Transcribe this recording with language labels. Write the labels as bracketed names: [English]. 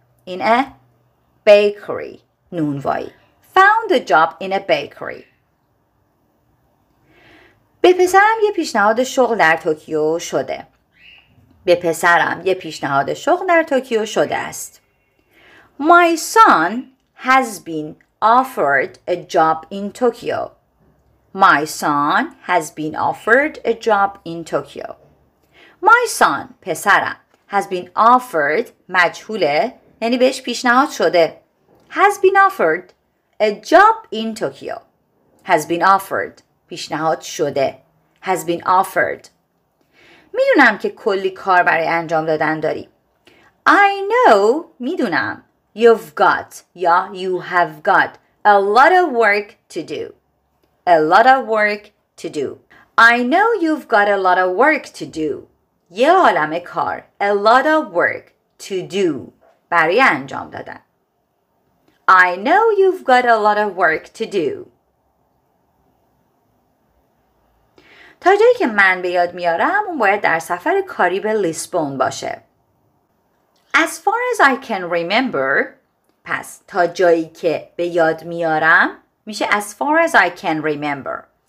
[English] In a bakery. نونوایی. Found a job in a bakery. [Persian] به پسرم یه پیشنهاد شغل در توکیو شده. به پسرم یه پیشنهاد شغل در توکیو شده است. [English] My son has been offered a job in Tokyo. My son has been offered a job in Tokyo. My son, پسرم, has been offered, [Persian] مجهوله, یعنی بهش پیشنهاد شده, [English] has been offered a job in Tokyo. Has been offered, [Persian] پیشنهاد شده, [English] has been offered. [Persian] میدونم که کلی کار برای انجام دادن داری. [English] I know, میدونم, you've got, یا you have got, a lot of work to do. A lot of work to do. I know you've got a lot of work to do. [Persian] یه عالمه کار. [English] A lot of work to do. [Persian] برای انجام دادن. [English] I know you've got a lot of work to do. [Persian] تا جایی که من به یاد میارم اون باید در سفر کاری به لیسبون باشه. [English] As far as I can remember، [Persian] پس تا جایی که به یاد میارم میشه [English] as far as I can remember.